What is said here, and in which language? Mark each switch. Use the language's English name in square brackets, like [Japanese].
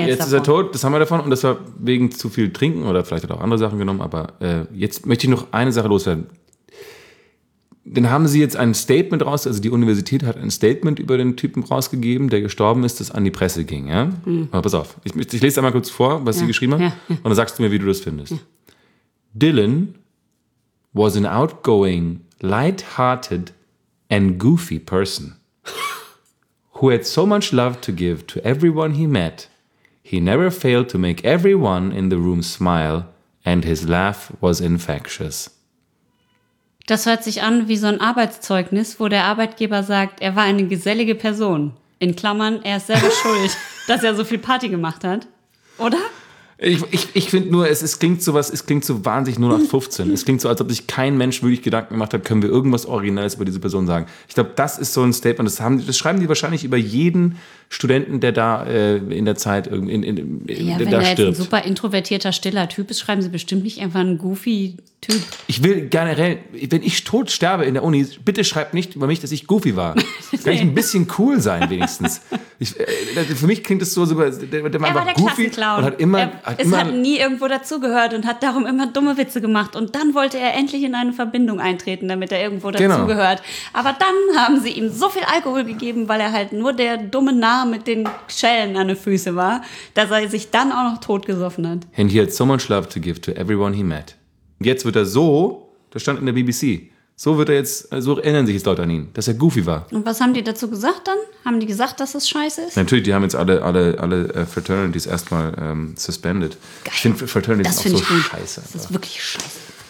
[German] davon. Jetzt ist er tot, das haben wir davon und das war wegen zu viel Trinken oder vielleicht hat er auch andere Sachen genommen, aber jetzt möchte ich noch eine Sache loswerden. Dann haben sie jetzt ein Statement die Universität hat ein Statement über den Typen rausgegeben, der gestorben ist, das an die Presse ging. Ja? Mhm. Aber pass auf, ich lese einmal kurz vor, was sie geschrieben haben und dann sagst du mir, wie du das findest. Ja. [English] Dylan was an outgoing, light-hearted and goofy person who had so much love to give to everyone he met. He never failed to make everyone in the room smile and his laugh was infectious. [German] Das hört sich an wie so ein Arbeitszeugnis, wo der Arbeitgeber sagt, er war eine gesellige Person. In Klammern, er ist selber schuld, dass er so viel Party gemacht hat. Oder? Ich finde nur, es klingt so wahnsinnig 0815. Es klingt so, als ob sich kein Mensch wirklich Gedanken gemacht hat, können wir irgendwas Originelles über diese Person sagen. Ich glaube, das ist so ein Statement. Das schreiben die wahrscheinlich über jeden Studenten, der da in der Zeit irgendwie Wenn da stirbt. Ja, ein super introvertierter, stiller Typ ist, schreiben sie bestimmt nicht einfach einen goofy Typ. Ich will generell, wenn ich tot sterbe in der Uni, bitte schreibt nicht über mich, dass ich goofy war. Kann ich ein bisschen cool sein wenigstens. Für mich klingt es so, er hat immer irgendwo dazugehört und hat darum immer dumme Witze gemacht. Und dann wollte er endlich in eine Verbindung eintreten, damit er irgendwo dazugehört. Genau. Aber dann haben sie ihm so viel Alkohol gegeben, weil er halt nur der dumme Narr mit den Schellen an den Füßen war, dass er sich dann auch noch totgesoffen hat. [English] And he had so much love to give to everyone he met. [German] Und jetzt wird er so, das stand in der BBC, so wird er jetzt, so erinnern sich jetzt Leute an ihn, dass er goofy war. Und was haben die dazu gesagt dann? Haben die gesagt, dass das scheiße ist? Natürlich, die haben jetzt alle Fraternities erstmal suspended. Geil. Ich finde Fraternities das auch find so ich gut. Scheiße. Das ist wirklich scheiße.